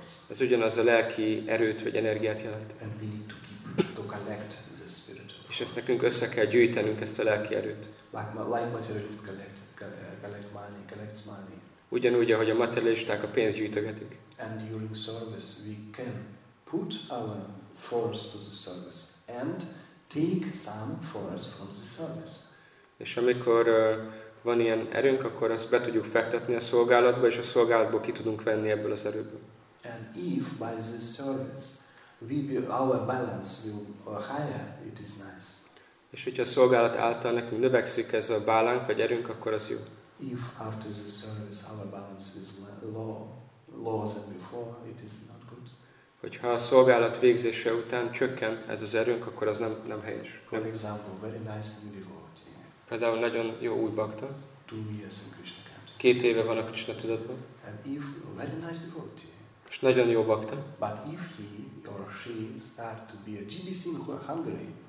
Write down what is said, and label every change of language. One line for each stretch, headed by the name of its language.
Hungarian: Ez ugyanaz a lelki erőt vagy energiát jelent.
English: And we need to keep, to collect the spiritual force.
Hungarian: És ezt nekünk össze kell gyűjtenünk, ezt a lelki erőt.
English: Like materialists collect money.
Hungarian: Ugyanúgy, ahogy a materialisták a pénzt gyűjtögetik.
English: And during service we can put our force to the service and take some force from the service.
Hungarian: És amikor van ilyen erőnk, akkor azt be tudjuk fektetni a szolgálatba, és a szolgálatból ki tudunk venni ebből az erőből.
English: And if by this service our balance will higher, it is nice.
Hungarian: És hogyha a szolgálat által nekünk növekszik ez a bálánk vagy erőnk, akkor az jó.
English: If after the service our balance is lower than before, it is not good.
Hungarian: Hogyha a szolgálat végzése után csökken ez az erőnk, akkor az nem helyes.
English: For example, very nice new devotee.
Hungarian: Például nagyon jó új bhakta.
English: 2 years in Krishna consciousness.
Hungarian: 2 éve van a Krishna tudatban.
English: And if very nice devotee.
Hungarian: És nagyon jó bhakta.
English: But if he or she start to be a GBC in Hungary.